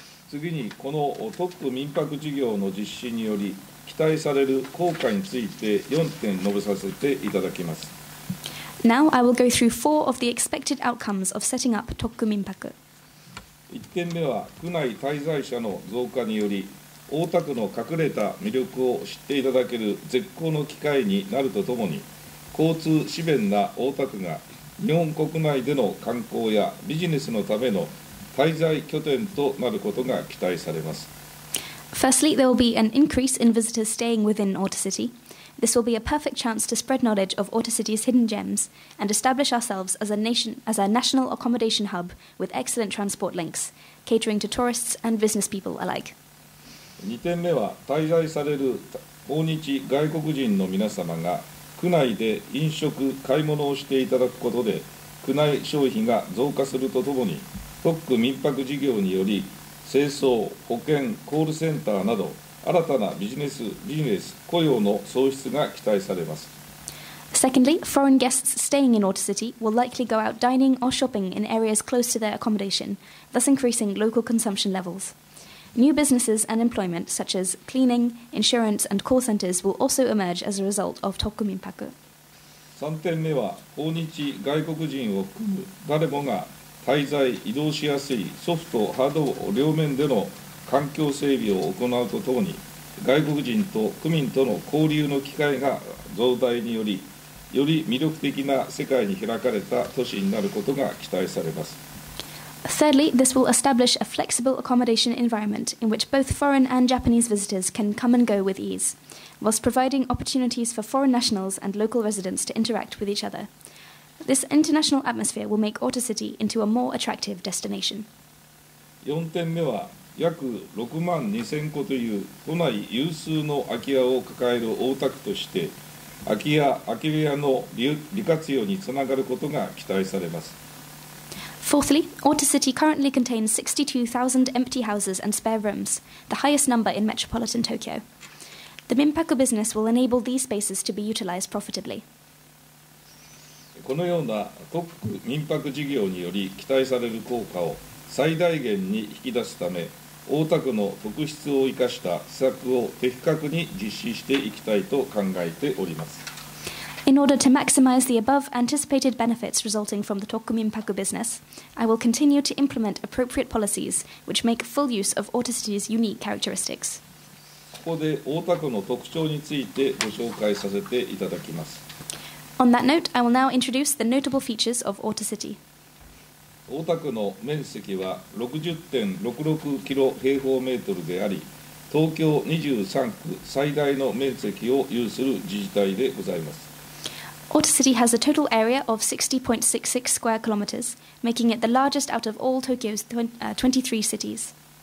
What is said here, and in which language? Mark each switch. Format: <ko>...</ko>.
<ja>次にこの特区民泊事業の実施により期待される効果について4点述べさせていただきます。</ja> <en>Now I will go through four of the expected outcomes of setting up 特区民泊。</en> <ja>1点目は区内滞在者の増加により大田区の隠れた魅力を知っていただける絶好の機会になるとともに交通支便な大田区が日本国内での観光やビジネスのための滞在拠点となることが期待されます。</ja> <en>Firstly, there will be an increase in visitors staying within Ota City. This will be a perfect chance to spread knowledge of Ota City's hidden gems and establish ourselves as a national accommodation hub with excellent transport links, catering to tourists and business people alike.</en> <ja>2点目は滞在される訪日外国人の皆様が区内で飲食、買い物をしていただくことで区内消費が増加するとともに特区民泊事業により清掃、保険、コールセンターなど新たなビジネス、雇用の創出が期待されます。</ja> <en>Secondly, foreign guests staying in Ota City will likely go out dining or shopping in areas close to their accommodation, thus increasing local consumption levels. New businesses and employment, such as cleaning, insurance and call centers, will also emerge as a result of 特区民泊。</en> <ja>3点目は、訪日外国人を含む誰もが滞在・移動しやすいソフト・ハード両面での環境整備を行うとともに、外国人と区民との交流の機会が増大により、より魅力的な世界に開かれた都市になることが期待されます。</ja> <en>Thirdly, this will establish a flexible accommodation environment in which both foreign and Japanese visitors can come and go with ease, whilst providing opportunities for foreign nationals and local residents to interact with each other. This international atmosphere will make Ota City into a more attractive destination.</en> <ja>4点目は約6万2千戸という都内有数の空き家を抱える大田区として空き部屋の利活用につながることが期待されます。</ja> <en>Fourthly, Ota City currently contains 62,000 empty houses and spare rooms, the highest number in metropolitan Tokyo. The Minpaku business will enable these spaces to be utilized profitably.</en> <ja>このような特区民泊事業により期待される効果を最大限に引き出すため、大田区の特質を生かした施策を的確に実施していきたいと考えております。</ja> <en>In order to maximize the above anticipated benefits resulting from the 特区民泊 business, I will continue to implement appropriate policies which make full use of Ota City's unique characteristics.</en> <ja>ここで大田区の特徴についてご紹介させていただきます。</ja> <en>On that note, I will now introduce the notable features of Ota City.</en> <ja>大田区の面積は 60.66 キロ平方メートルであり、東京23区最大の面積を有する自治体でございます。</ja> <en>Ota City has a total area of 60.66 square kilometers, making it the largest out of all Tokyo's 23 cities.</en>